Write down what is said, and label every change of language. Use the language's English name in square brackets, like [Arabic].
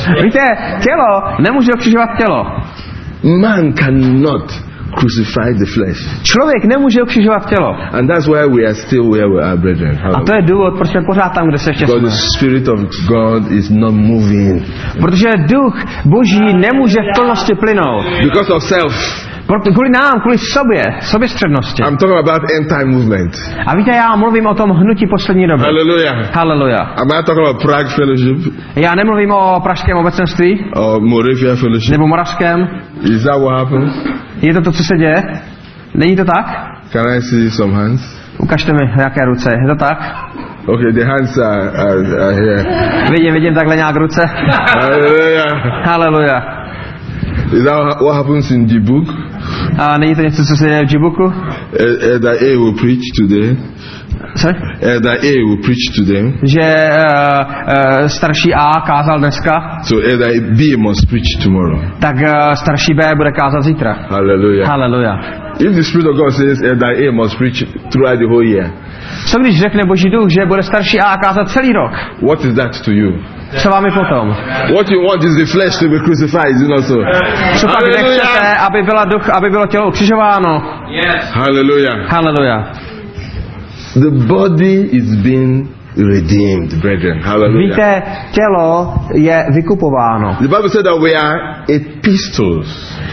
[Czech] Víte, tělo nemůže ukřižovat tělo. [English] Man cannot crucify the flesh. [Czech] Člověk nemůže ukřižovat tělo. [English] And that's why we are still where we are, brethren. [Czech] A to je důvod, proč jsme pořád tam, kde se ještě jsme. [English] The spirit of God is not moving. [Czech] Protože duch Boží nemůže v plnosti plynout. [English] Because of self. [Czech] Kvůli nám, kvůli sobě, soběstřednosti. [English] I'm talking about end time movement. [Czech] A víte, já mluvím o tom hnutí poslední doby. [English] Hallelujah. [Czech] Hallelujah. [English] Am I talking about Prague Fellowship? [Czech] Já nemluvím o pražském obecenství. [English] Or Moravia Fellowship. [Czech] Nebo moravském. [English] Is that what happens? [Czech] Je to, co se děje? Není to tak? [English] Can I see some hands? [Czech] Ukažte mi, jaké ruce. Je to tak? [English] Okay, the hands are here. [Czech] Vidím takhle nějak ruce. [English] Hallelujah. [Czech] Hallelujah. [English] Is that what happens in Djibouk? [Czech] Není to něco, co se děje v Djibouku? [English] That A will preach today. Elder A will preach to them. [Czech] Že starší A kázal dneska. [English] So Elder B must preach tomorrow. [Czech] Tak starší B bude kázat zítra. [English] Hallelujah. [Czech] Hallelujah. [English] If the Spirit of God says Elder A must preach throughout the whole year. [Czech] Co když řekne Boží duch, že bude starší A kázat celý rok? [English] What is that to you? [Czech] Co vám je potom? [English] What you want is the flesh to be crucified, you know so. [Czech] Co pak nechcete, aby byla duch, aby bylo tělo ukřižováno? [English] Yes. Hallelujah. [Czech] Hallelujah. [English] The body is being redeemed, brethren. Hallelujah. [Czech] Víte, tělo je vykupováno. [English] The Bible said that we are epistles.